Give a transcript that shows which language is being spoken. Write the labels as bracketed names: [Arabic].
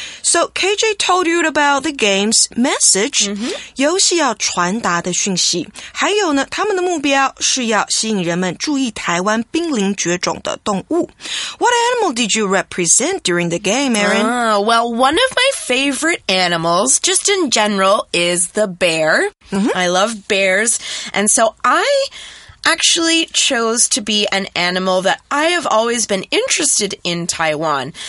[English] So KJ told you about the game's message. [Chinese] 游戏要传达的讯息。还有呢，他们的目标是要吸引人们注意台湾濒临绝种的动物。 [English] What animal did you represent during the game, Aaron? Well, one of my favorite animals, just in general, is the bear. Mm-hmm. I love bears. And so I actually chose to be an animal that I have always been interested in Taiwan.